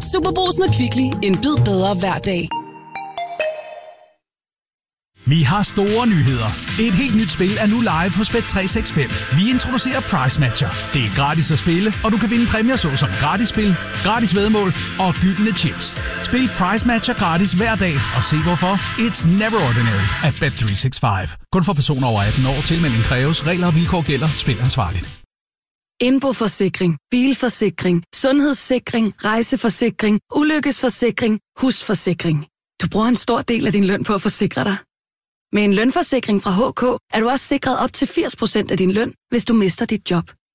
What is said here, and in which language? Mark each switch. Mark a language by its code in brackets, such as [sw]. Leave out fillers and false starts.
[da] Superbrugsen og Kvickly. En bid bedre hver dag. Vi har store nyheder. Et helt nyt spil er nu live hos Bet365. Vi introducerer Prize Matcher. Det er gratis at spille, og du kan vinde præmier såsom gratis spil, gratis væddemål og gyldne chips. Spil Prize Matcher gratis hver dag, og se hvorfor. [en] It's never ordinary at Bet365. [da] Kun for personer over 18 år. Tilmelding kræves. Regler og vilkår gælder. Spil ansvarligt. Indboforsikring, bilforsikring, sundhedssikring, rejseforsikring, ulykkesforsikring, husforsikring. Du bruger en stor del af din løn på at forsikre dig. Med en lønforsikring fra HK er du også sikret op til 80% af din løn, hvis du mister dit job.